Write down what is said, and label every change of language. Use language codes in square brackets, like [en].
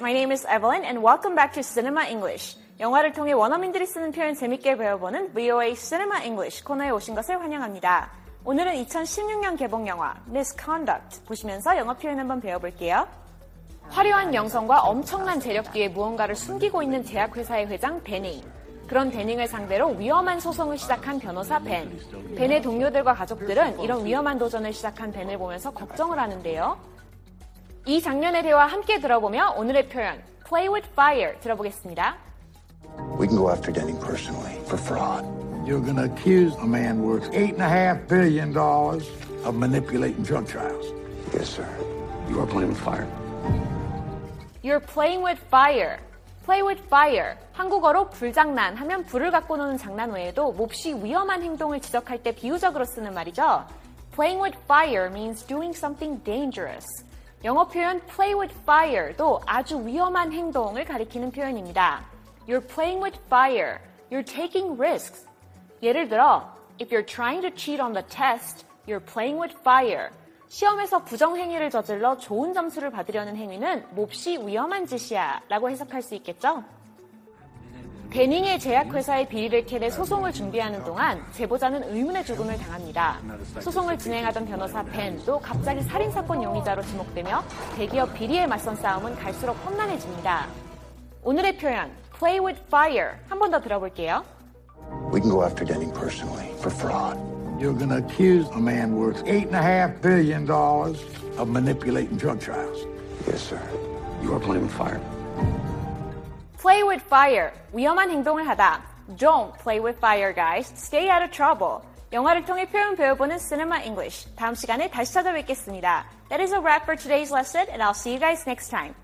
[en] My name is Evelyn and welcome back to Cinema English. [ko] 영화를 통해 원어민들이 쓰는 표현 재밌게 배워보는 VOA Cinema English 코너에 오신 것을 환영합니다. 오늘은 2016년 개봉 영화 Misconduct 보시면서 영어 표현 한번 배워볼게요. 화려한 명성과 엄청난 재력 뒤에 무언가를 숨기고 있는 제약 회사의 회장 베닝. 그런 베닝을 상대로 위험한 소송을 시작한 변호사 벤. 벤의 동료들과 가족들은 이런 위험한 도전을 시작한 벤을 보면서 걱정을 하는데요. 이 장면의 대화 함께 들어보며 오늘의 표현 Play with Fire 들어보겠습니다. [en] We can go after Denning personally for fraud. You're going to accuse a man worth $8.5 billion of manipulating drug trials. Yes, sir. You are playing with fire. You're playing with fire. Play with fire. [ko] 한국어로 불장난 하면 불을 갖고 노는 장난 외에도 몹시 위험한 행동을 지적할 때 비유적으로 쓰는 말이죠. [en] Playing with fire means doing something dangerous. [ko] 영어 표현 play with fire도 아주 위험한 행동을 가리키는 표현입니다. [en] You're playing with fire. You're taking risks. [ko] 예를 들어, [en] if you're trying to cheat on the test, you're playing with fire. [ko] 시험에서 부정행위를 저질러 좋은 점수를 받으려는 행위는 몹시 위험한 짓이야 라고 해석할 수 있겠죠? 베닝의 제약회사의 비리를 캐내 소송을 준비하는 동안 제보자는 의문의 죽음을 당합니다. 소송을 진행하던 변호사 벤도 갑자기 살인사건 용의자로 지목되며 대기업 비리에 맞선 싸움은 갈수록 험난해집니다. 오늘의 표현, play with fire, 한 번 더 들어볼게요. [en] We can go after Denning personally for fraud. You're going to accuse a man worth $8.5 billion of manipulating drug trials. Yes, sir. You are playing with fire. Play with fire. [ko] 위험한 행동을 하다. [en] Don't play with fire, guys. Stay out of trouble. [ko] 영화를 통해 표현 배워보는 Cinema English. 다음 시간에 다시 찾아뵙겠습니다. [en] That is a wrap for today's lesson, and I'll see you guys next time.